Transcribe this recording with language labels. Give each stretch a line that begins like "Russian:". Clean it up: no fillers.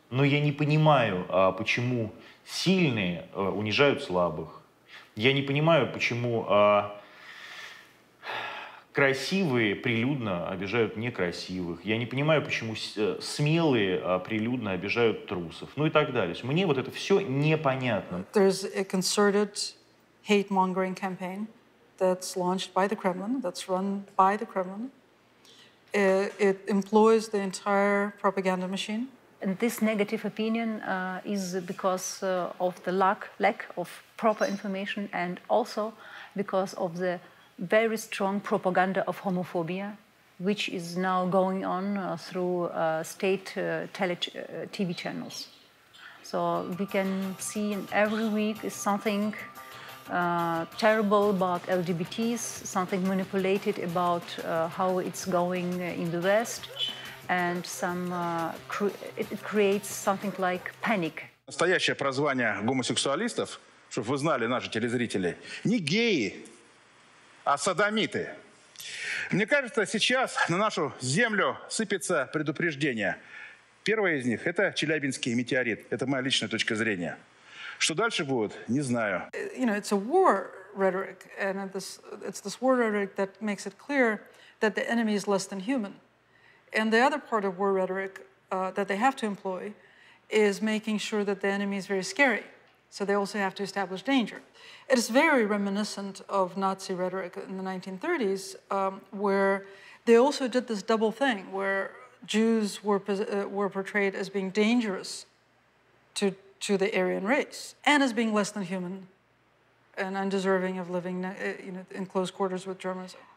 Russian: Но я не понимаю, почему сильные унижают слабых. Я не понимаю, почему красивые прилюдно обижают некрасивых. Я не понимаю, почему смелые прилюдно обижают трусов. Ну и так далее. Мне вот это все непонятно.
English: There's a concerted hate-mongering campaign that's launched by the Kremlin, that's run by the Kremlin. It employs the entire propaganda machine. And this negative opinion is because of the lack of proper information and also because of the very strong propaganda of homophobia, which is now going on through state TV channels. So we can see every week is something terrible about LGBTs, something manipulated about how it's going in the West, and it creates something like panic.
Russian: Настоящее прозвание гомосексуалистов, чтобы вы знали, наши телезрители, не геи, а садомиты. Мне кажется, сейчас на нашу землю сыпется предупреждение. Первое из них – это Челябинский метеорит. Это моя личная точка зрения. Что дальше будет, не знаю.
English: You know, it's a war rhetoric, and it's this war rhetoric that makes it clear that the enemy is less than human. And the other part of war rhetoric that they have to employ is making sure that the enemy is very scary. So they also have to establish danger. It is very reminiscent of Nazi rhetoric in the 1930s, where they also did this double thing, where Jews were portrayed as being dangerous to the Aryan race and as being less than human and undeserving of living in close quarters with Germans.